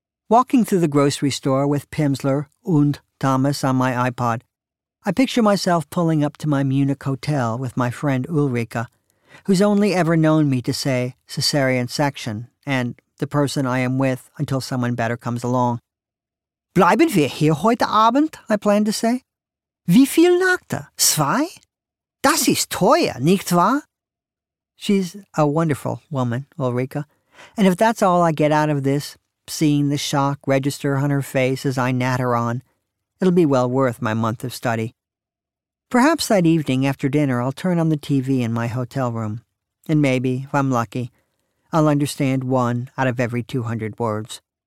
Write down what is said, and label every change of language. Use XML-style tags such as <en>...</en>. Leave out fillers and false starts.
<en>Walking through the grocery store with Pimsleur und Thomas on my iPod, I picture myself pulling up to my Munich hotel with my friend Ulrika, who's only ever known me to say cesarean section and the person I am with until someone better comes along.</en> <de>Bleiben wir hier heute Abend,</de> <en>I plan to say.</en> <de>Wie viel Nächte? Zwei? Das ist teuer, nicht wahr?</de> <en>She's a wonderful woman, Ulrika, and if that's all I get out of this, seeing the shock register on her face as I natter on, it'll be well worth my month of study. Perhaps that evening after dinner I'll turn on the TV in my hotel room, and maybe, if I'm lucky, I'll understand one out of every 200 words.</en>